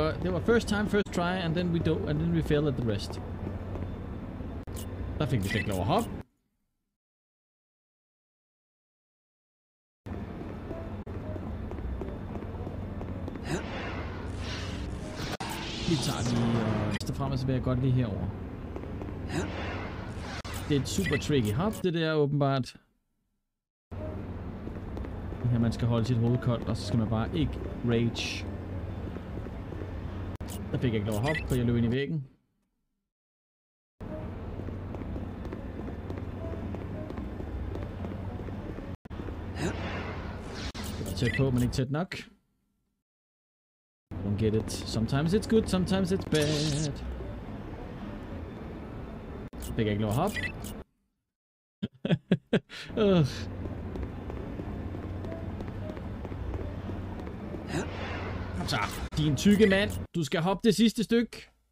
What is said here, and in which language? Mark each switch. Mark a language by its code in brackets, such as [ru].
[da] Det var [en] first time, first try, and then we fail at the rest. [da] Der fik vi ikke lov at hoppe. vi tager lige og efter frem, så vil jeg godt lige herover. Det er et super tricky hop, det der åbenbart. Det her, man skal holde sit hoved koldt, og så skal man bare ikke rage. Der fik jeg ikke lov at hoppe, for jeg løb ind i væggen. Tæt på, men ikke tæt nok. [en] Don't get it. Sometimes it's good, sometimes it's bad. [da] Så fik jeg ikke lov at hoppe. Kom så, din tykke mand. Du skal hoppe det sidste stykke.